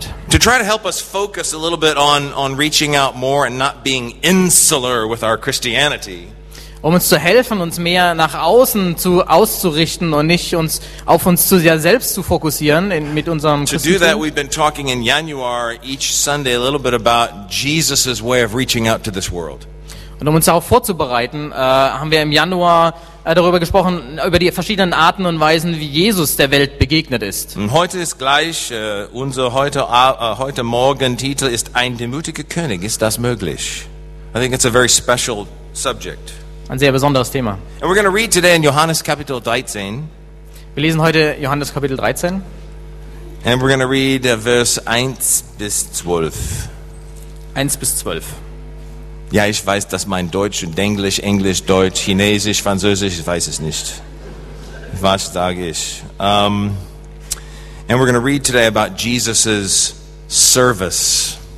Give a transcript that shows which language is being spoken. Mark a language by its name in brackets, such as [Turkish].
[English] To try to help us focus a little bit on reaching out more and not being insular with our Christianity. [German] Um uns zu helfen, uns mehr nach außen auszurichten und nicht uns auf uns zu sehr selbst zu fokussieren mit unserem Christentum. [English] To do that, we've been talking in January each Sunday a little bit about Jesus's way of reaching out to this world. [German] Und um uns darauf vorzubereiten, haben wir im Januar darüber gesprochen, über die verschiedenen Arten und Weisen, wie Jesus der Welt begegnet ist. Und heute ist gleich, unser heute Morgen Titel ist Ein demütiger König, ist das möglich? [English] I think it's a very special subject. [German] Ein sehr besonderes Thema. [English] And we're going to read today in [German] Johannes Kapitel 13. Wir lesen heute Johannes Kapitel 13. [English] And we're going to read [German] Vers 1 bis 12. 1 bis 12. Ja, ich weiß, dass mein Deutsch und Englisch, Englisch, Deutsch, Chinesisch, Französisch, ich weiß es nicht. Was sage ich? [English] And we're going to read today about Jesus's service.